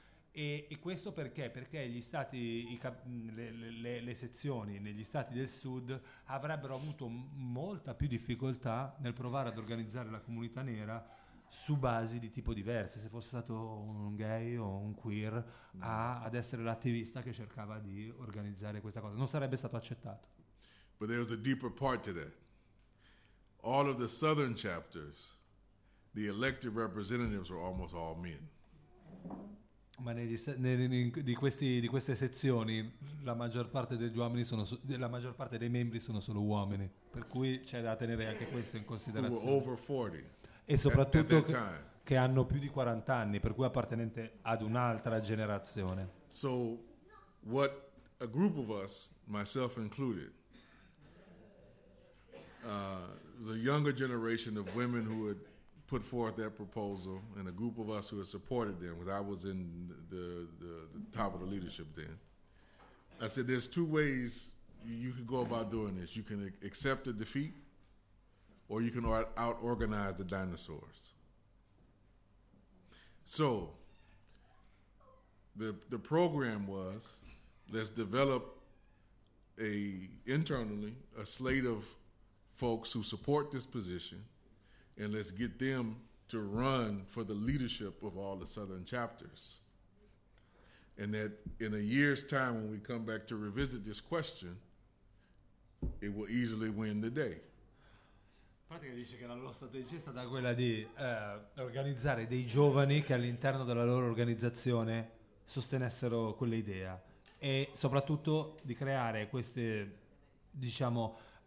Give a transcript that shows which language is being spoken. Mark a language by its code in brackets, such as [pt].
[it] E questo perché? Perché gli stati, le sezioni negli stati del sud avrebbero avuto molta più difficoltà nel provare ad organizzare la comunità nera su basi di tipo diverse, se fosse stato un gay o un queer ad essere l'attivista che cercava di organizzare questa cosa, non sarebbe stato accettato. [en] But there was a deeper part to that. All of the southern chapters, the elected representatives were almost all men. [it] Ma di queste sezioni la maggior parte dei membri sono solo uomini, per cui c'è da tenere anche questo in considerazione. [en] Over 40, [it] e soprattutto che hanno più di 40 anni, per cui appartenente ad un'altra generazione. [en] So what a group of us, myself included, the younger generation of women who had put forth that proposal, and a group of us who had supported them, because I was in the top of the leadership then, I said, there's two ways you can go about doing this. You can accept a defeat, or you can out-organize the dinosaurs. So the program was, let's develop internally a slate of folks who support this position, and let's get them to run for the leadership of all the southern chapters. And that in a year's time, when we come back to revisit this question, it will easily win the day. [it] Pratica dice che la loro strategia è stata quella di organizzare dei giovani che all'interno della loro organizzazione sostenessero quell'idea, e soprattutto di creare queste, diciamo,